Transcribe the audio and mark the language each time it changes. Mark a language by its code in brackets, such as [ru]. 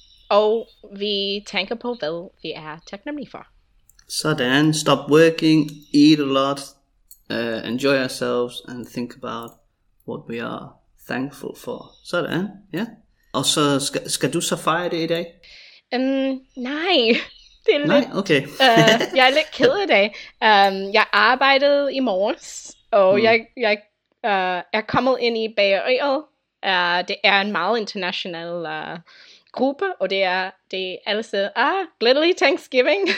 [da] Og vi tænker på, hvad vi er taknemmelig for. [en] Sådan, stop working, eat a lot, enjoy ourselves, and think about what we are thankful for. [da] Sådan, ja. Yeah. Og så, skal du så fejre det i dag? Nej. Okay. jeg er lidt ked af det. Jeg arbejdede i morges, og jeg er kommet ind i bageriet. Det er en meget international gruppe, og det er altid, glædelig Thanksgiving.